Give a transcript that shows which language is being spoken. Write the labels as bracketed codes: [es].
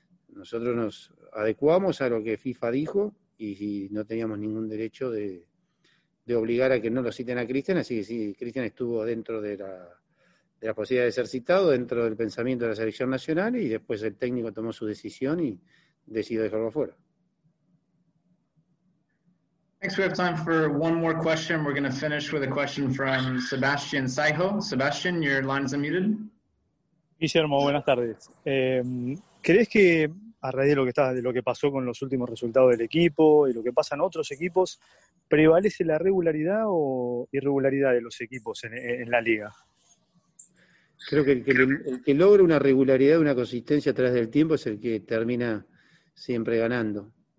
[es] Nosotros nos adecuamos a lo que FIFA dijo, y no teníamos ningún derecho de obligar a que no lo citen a Cristian, así que sí, Cristian estuvo dentro de la posibilidad de ser citado, dentro del pensamiento de la selección nacional, y después el técnico tomó su decisión y decidió dejarlo afuera. [en] Next, we have time for one more question. We're going to finish with a question from Sebastian Saiho. Sebastian, your line is unmuted. [es] Guillermo, buenas tardes. ¿Crees que a raíz de lo que pasó con los últimos resultados del equipo y lo que pasa en otros equipos, prevalece la regularidad o irregularidad de los equipos en la liga? Creo que el que logra una regularidad, una consistencia a través del tiempo, es el que termina siempre ganando.